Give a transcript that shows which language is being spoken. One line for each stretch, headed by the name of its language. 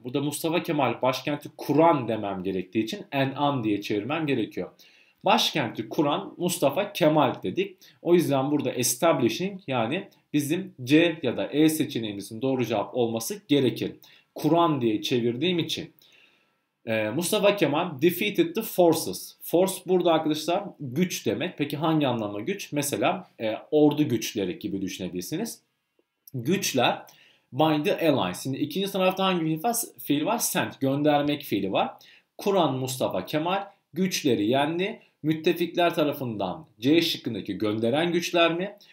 Turkish: Burada Mustafa Kemal başkenti kuran demem gerektiği için en diye çevirmem gerekiyor. Başkenti kuran Mustafa Kemal dedik. O yüzden burada establishing yani bizim C ya da E seçeneğimizin doğru cevap olması gerekir. Kuran diye çevirdiğim için.
English: Mustafa Kemal defeated the forces.
Turkish: Force burada arkadaşlar güç demek. Peki hangi anlamda güç? Mesela ordu güçleri gibi düşünebilirsiniz. Güçler
English: by the allies.
Turkish: Şimdi ikinci sınıfta hangi fiil var? Sent, göndermek fiili var. Kur'an Mustafa Kemal güçleri yendi. Müttefikler tarafından C şıkkındaki gönderen güçler mi?